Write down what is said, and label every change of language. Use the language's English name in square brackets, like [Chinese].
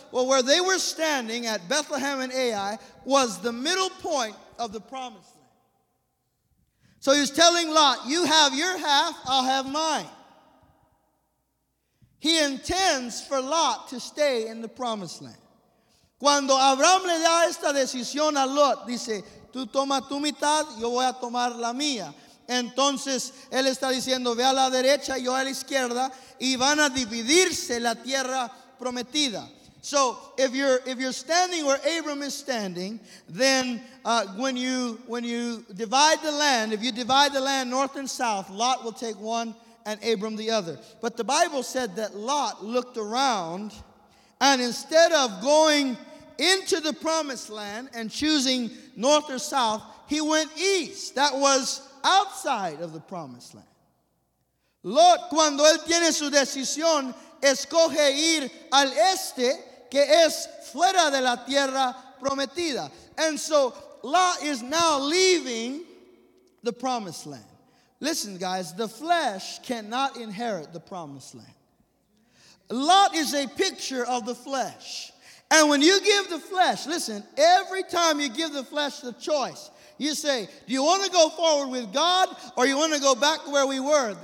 [English] Well, where they were standing at Bethlehem and Ai was the middle point of the promise. So he's telling Lot, you have your half, I'll have mine. He intends for Lot to stay in the promised land. [Spanish] Cuando Abraham le da esta decisión a Lot, dice, tú toma tu mitad, yo voy a tomar la mía. Entonces, él está diciendo, ve a la derecha, yo a la izquierda, y van a dividirse la tierra prometida. [English] So if you're standing where Abram is standing, then when you divide the land, if you divide the land north and south, Lot will take one and Abram the other. But the Bible said that Lot looked around, and instead of going into the promised land and choosing north or south, he went east. That was outside of the promised land. [Spanish] Lot, cuando él tiene su decisión, escoge ir al este, que es fuera de la tierra prometida. [English] And so Lot is now leaving the promised land. Listen, guys, the flesh cannot inherit the promised land. Lot is a picture of the flesh. And when you give the flesh, listen, every time you give the flesh the choice, you say, do you want to go forward with God or you want to go back where we were?